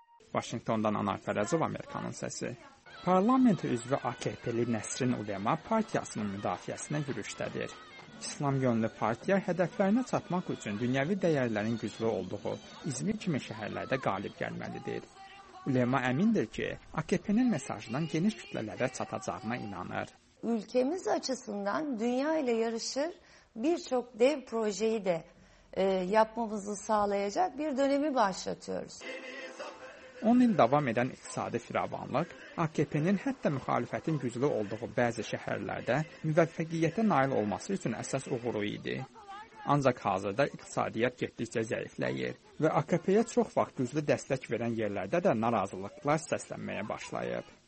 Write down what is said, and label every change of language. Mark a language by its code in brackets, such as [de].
[az] Vaşinqtondan Anar Fərəzov, Amerikanın səsi. Parlamento üzvü AKP-li Nəsrin Ulema partiyasının müdafiəsinə yürüşdədir. İslam yönlü partiya hədəflərinə çatmaq üçün dünyəvi dəyərlərin güclü olduğu İzmir kimi şəhərlərdə qalib gəlməlidir. Ulema əmindir ki, AKP-nin mesajından geniş kütlələrə çatacağına inanır. [tr] Ülkemiz açısından dünya ilə yarışır bir çox dev projeyi də yapmamızı sağlayacaq bir dönemi başlatıyoruz. [az] 10 il davam edən iqtisadi firavanlıq, AKP-nin hətta müxalifətin güclü olduğu bəzi şəhərlərdə müvəffəqiyyətə nail olması üçün əsas uğuru idi. Ancaq hazırda iqtisadiyyat getdikcə zəifləyir və AKP-yə çox vaxt güclü dəstək verən yerlərdə də narazılıqlar səslənməyə başlayıb.